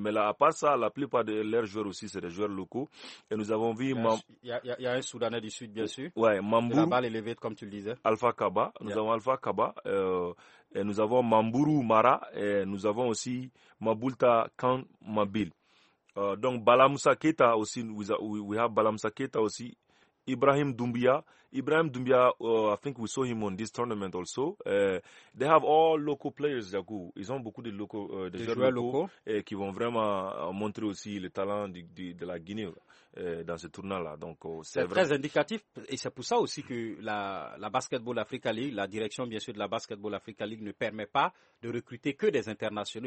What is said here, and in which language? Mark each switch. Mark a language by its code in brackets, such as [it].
[fr] Mais là, à part ça, la plupart de leurs joueurs aussi, c'est des joueurs locaux. Et nous avons vu... Il y a un Soudanais du Sud, bien sûr. Ouais, Mambou. Là-bas, les levées, comme tu le disais. Alpha Kaba. Nous avons Alpha Kaba. Et nous avons Mambourou Mara. Et nous avons aussi Mabulta Kan Mabil. [en] Donc Balamusa Keita aussi, we have Balamusa Keita aussi, Ibrahim Doumbia, I think we saw him on this tournament also. They have all local players, Yagou. [fr] Ils ont beaucoup de locaux, des joueurs locaux. Qui vont vraiment montrer aussi le talent de la Guinée dans ce tournoi-là. Donc c'est très indicatif, et c'est pour ça aussi que la Basketball Africa League, la direction bien sûr de la Basketball Africa League ne permet pas de recruter que des internationaux.